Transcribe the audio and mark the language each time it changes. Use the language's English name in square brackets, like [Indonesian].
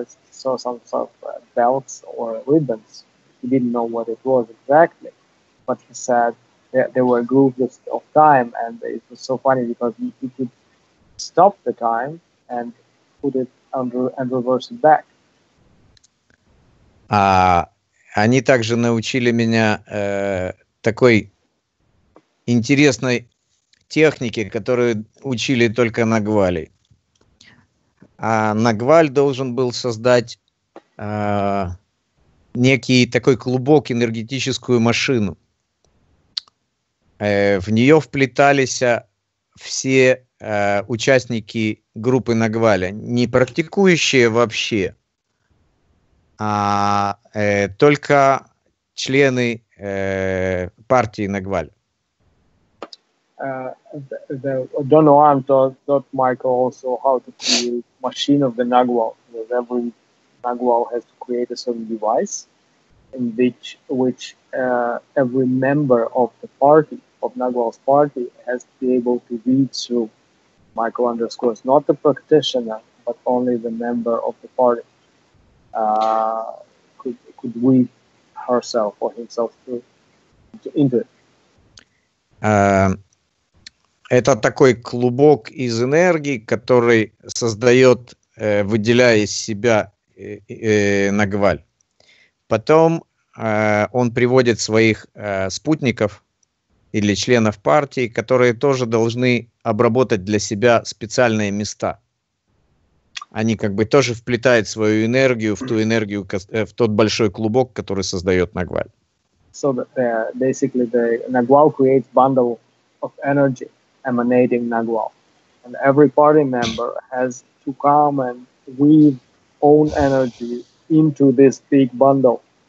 [English] Saw some sort of belts or ribbons. He didn't know what it was exactly, but he said there were grooves of time, and it was so funny because he could stop the time and put it under and reverse it back. [Russian] Они также научили меня такой интересной технике, которую учили только на Гвале. А Нагваль должен был создать некий такой клубок, энергетическую машину. В нее вплетались все участники группы Нагваля, не практикующие вообще, а только члены партии Нагваль. [English] Don Juan taught Michael also how to create machine of the Nagual, because every Nagual has to create a certain device in which every member of the party, of Nagual's party, has to be able to read through. Michael underscores, not the practitioner, but only the member of the party could read herself or himself through into it. [Russian] Это такой клубок из энергии, который создает, выделяя из себя Нагваль. Потом он приводит своих спутников или членов партии, которые тоже должны обработать для себя специальные места. они как бы тоже вплетают свою энергию в ту энергию, в тот большой клубок, который создает Нагваль. [English] So that basically the Nagual creates bundle of energy emanating Nagual, and every party member has to come and weave own energy into this big bundle.